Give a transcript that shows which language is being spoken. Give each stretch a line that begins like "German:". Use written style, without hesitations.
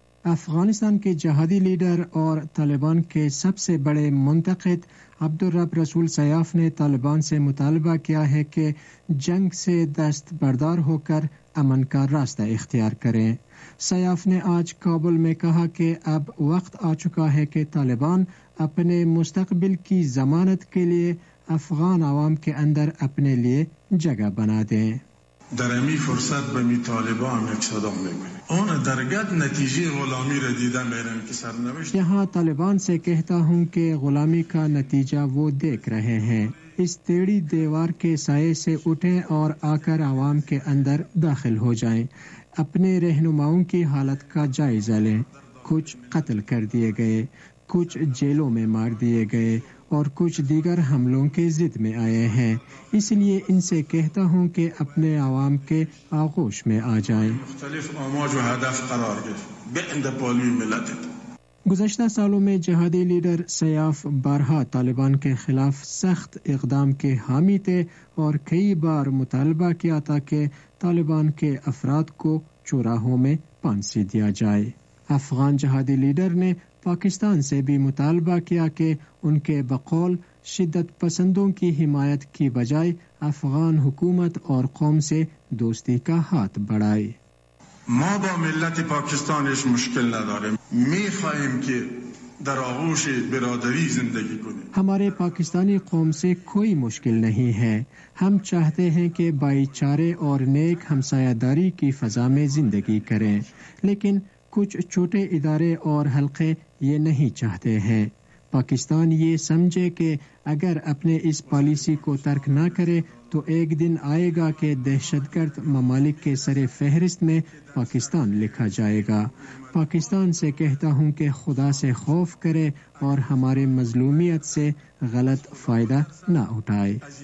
Urdu: افغانستان کے جہادی لیڈر اور طالبان کے سب سے بڑے منتقد عبدالرب رسول سیاف نے طالبان سے مطالبہ کیا ہے کہ جنگ سے دست بردار ہو کر امن کا راستہ اختیار کریں۔ سیاف نے آج کابل میں کہا کہ اب وقت آ چکا ہے کہ طالبان اپنے مستقبل کی ضمانت کے لیے افغان عوام کے اندر اپنے لیے جگہ بنا دیں۔
Persian: در امی فرصت به می طالبان صدا میکنم، اون در گد نتیجه غلامی را دیده میرم که سرنوشت
Urdu: یہاں طالبان سے کہتا ہوں کہ غلامی کا نتیجہ وہ دیکھ رہے ہیں۔ اس ٹیڑھی دیوار کے سائے سے اٹھیں اور آ کر عوام کے اندر داخل ہو جائیں، اپنے رہنماؤں کی حالت کا جائزہ لیں۔ کچھ قتل کر دیے گئے، کچھ جیلوں میں مار دیے گئے اور کچھ دیگر حملوں کے ضد میں آئے ہیں، اس لیے ان سے کہتا ہوں کہ اپنے عوام کے آغوش میں آ جائیں۔
Persian: مختلف اماج و هدف قرار گرفت بالی ملت۔
Urdu: گزشتہ سالوں میں جہادی لیڈر سیاف بارہا طالبان کے خلاف سخت اقدام کے حامی تھے اور کئی بار مطالبہ کیا تھا کہ طالبان کے افراد کو چوراہوں میں پھانسی دیا جائے۔ افغان جہادی لیڈر نے پاکستان سے بھی مطالبہ کیا کہ ان کے بقول شدت پسندوں کی حمایت کی بجائے افغان حکومت اور قوم سے دوستی کا ہاتھ بڑھائے۔
Persian: ما با ملت پاکستان اس مشکل نداریم، می خواہیم کہ در آغوش برادری زندگی کنیم۔
Urdu: ہمارے پاکستانی قوم سے کوئی مشکل نہیں ہے، ہم چاہتے ہیں کہ بھائی چارے اور نیک ہمسایہ داری کی فضا میں زندگی کریں، لیکن کچھ چھوٹے ادارے اور حلقے یہ نہیں چاہتے ہیں۔ پاکستان یہ سمجھے کہ اگر اپنے اس پالیسی کو ترک نہ کرے تو ایک دن آئے گا کہ دہشت گرد ممالک کے سر فہرست میں پاکستان لکھا جائے گا۔ پاکستان سے کہتا ہوں کہ خدا سے خوف کرے اور ہمارے مظلومیت سے غلط فائدہ نہ اٹھائے۔